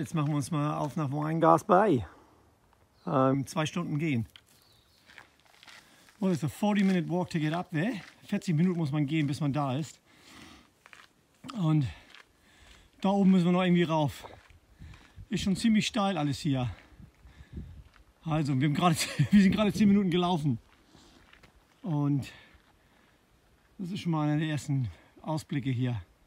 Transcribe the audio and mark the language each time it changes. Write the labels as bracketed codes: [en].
[de] Jetzt machen wir uns mal auf nach Wineglass Bay. 2 Stunden gehen. [en] Well, it's a 40-minute walk to get up there. [de] 40 Minuten muss man gehen, bis man da ist. Und da oben müssen wir noch irgendwie rauf. Ist schon ziemlich steil alles hier. Also, wir sind gerade 10 Minuten gelaufen und das ist schon mal einer der ersten Ausblicke hier.